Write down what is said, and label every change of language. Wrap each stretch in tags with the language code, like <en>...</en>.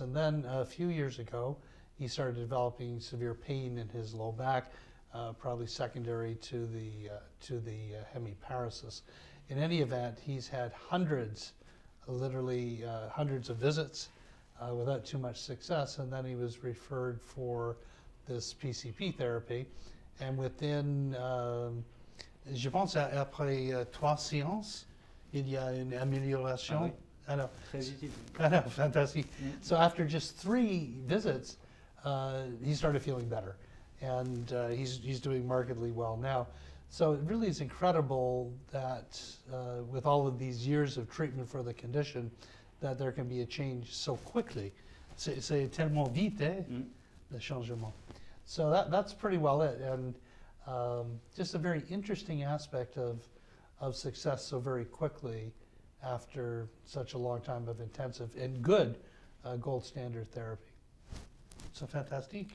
<en>And then a few years ago, he started developing severe pain in his low back, probably secondary to the hemiparesis. In any event, he's had hundreds, literally hundreds of visits without too much success, and then he was referred for this PCP therapy. And within,</en> <fr>je pense après trois séances, il y a une amélioration. Ah oui.</fr> <en>I know.</en> <fr>Très utile.</fr> <en>I know, fantastic. Mm-hmm. So after just three visits, he started feeling better, and he's doing markedly well now. So it really is incredible that with all of these years of treatment for the condition, that there can be a change so quickly.</en> <fr>C'est tellement vite, le changement.</fr> <en>So that's pretty well it, and just a very interesting aspect of success so very quickly after such a long time of intensive and good gold standard therapy. So fantastique.</en>